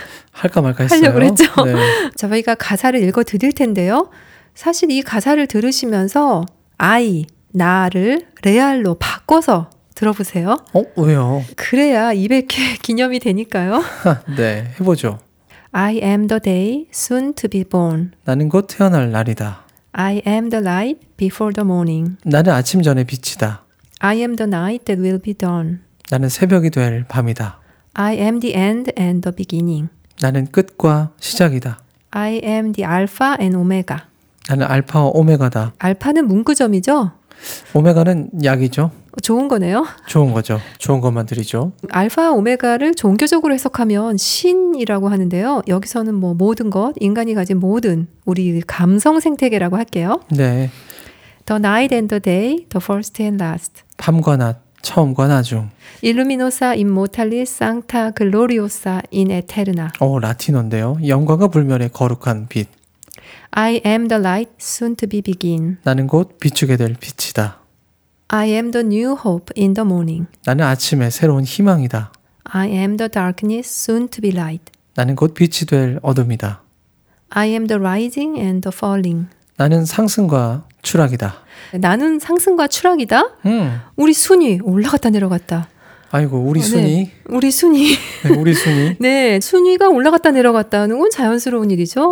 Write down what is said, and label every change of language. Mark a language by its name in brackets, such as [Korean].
[Korean] 할까 말까 했어요. 하려고 했죠. 네. 저희가 가사를 읽어드릴 텐데요. 사실 이 가사를 들으시면서 I, 나를 레알로 바꿔서 들어보세요. 왜요? 그래야 200회 기념이 되니까요. 네, 해보죠. [English] I am the day soon to be born. [Korean] 나는 곧 태어날 날이다. [English] I am the light before the morning. [Korean] 나는 아침 전에 빛이다. [English] I am the night that will be dawn. [Korean] 나는 새벽이 될 밤이다. [English] I am the end and the beginning. [Korean] 나는 끝과 시작이다. [English] I am the alpha and omega. [Korean] 나는 알파와 오메가다. 알파는 문구점이죠? 오메가는 약이죠. 좋은 거네요. 좋은 거죠. 좋은 것만 드리죠. 알파와 오메가를 종교적으로 해석하면 신이라고 하는데요. 여기서는 뭐 모든 것, 인간이 가진 모든 우리 감성 생태계라고 할게요. 네. [English] The night and the day, the first and last. [Korean] 밤과 낮, 처음과 나중. [Latin] Illuminosa immortalis sancta gloriosa in eterna. [Korean] 라틴어인데요. 영광과 불멸의 거룩한 빛. [English] I am the light soon to be begin. [Korean] 나는 곧 비추게 될 빛이다. [English] I am the new hope in the morning. [Korean] 나는 아침에 새로운 희망이다. [English] I am the darkness soon to be light. [Korean] 나는 곧 빛이 될 어둠이다. [English] I am the rising and the falling. [Korean] 나는 상승과 추락이다. 나는 상승과 추락이다? 우리 순위 올라갔다 내려갔다. 아이고, 우리 순위. 네, 우리 순위. 네, 우리 순위. 네, 순위가 올라갔다 내려갔다 하는 건 자연스러운 일이죠.